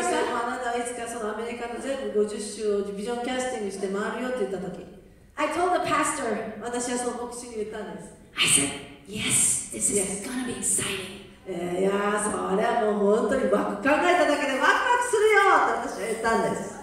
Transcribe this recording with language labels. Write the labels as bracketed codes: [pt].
[ja] そしてあなたはいつかそのアメリカの全部50州をビジョンキャスティングして回るよって言ったとき、 [en] I told the pastor. [ja] 私はその牧師に言ったんです。 [en] I said, yes, this is gonna be exciting. [ja] いやー、それはもう本当に考えただけでワクワクするよって私は言ったんです。